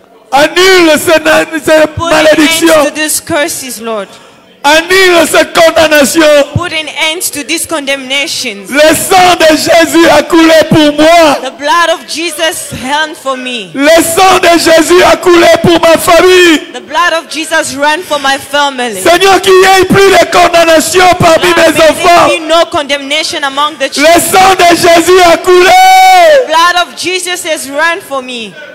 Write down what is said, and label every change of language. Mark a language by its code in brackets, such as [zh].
[fr] Annule ces malédictions. [en] Put an end to these curses, Lord. [fr] Annule cette condamnation. [en] Put an end to these condemnations. [fr] Le sang de Jésus a coulé pour moi. [en] The blood of Jesus ran for me. [fr] Le sang de Jésus a coulé pour ma famille. [en] The blood of Jesus ran for my family. [fr] Seigneur, qu'il n'y ait plus de condamnation parmi [en] Lord, [fr] mes enfants. [en] There be no condemnation among the children. [fr] Le sang de Jésus a coulé. [en] The blood of Jesus has run for me.